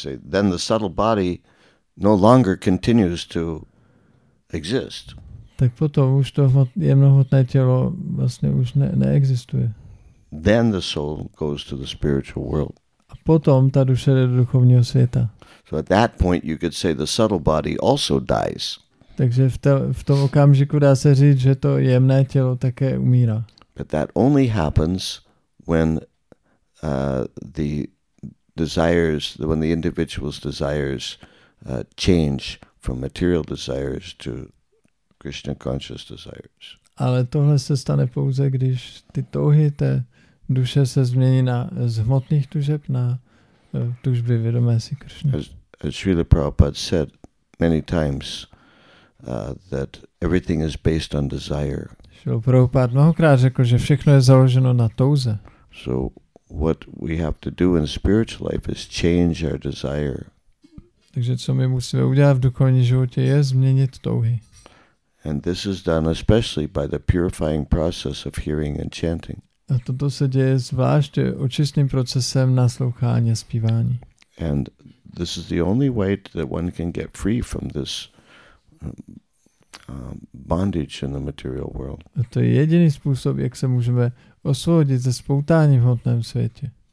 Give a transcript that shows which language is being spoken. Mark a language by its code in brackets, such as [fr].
[en] Then the subtle body no longer continues to exist. [cs] Tak potom už to jemnohmotné tělo vlastně už neexistuje. [en] Then the soul goes to the spiritual world. [cs] A potom ta duše jde do duchovního světa. [en] So at that point you could say the subtle body also dies. [cs] Takže v tom okamžiku dá se říct, že to jemné tělo také umírá. [en] But that only happens when the desires, when the individual's desires change from material desires to Krishna conscious desires. [cs] Ale tohle se stane pouze, když ty touhy té duše se změní na z hmotných tužeb na tužby vědomé si Krishna. [en] As Srila Prabhupada said many times that everything is based on desire. [cs] Srila Prabhupada mnohokrát řekl, že všechno je založeno na touze. [en] So what we have to do in spiritual life is change our desire. [cs] Takže co my musíme udělat v duchovním životě je změnit touhy. [en] And this is done especially by the purifying process of hearing and chanting. [cs] A toto se děje zvláště očistným procesem naslouchání a zpívání. [en] And this is the only way that one can get free from this bondage in the material world. [cs] A to je jediný způsob, jak se můžeme osvobodit ze spoutání v hmotném světě.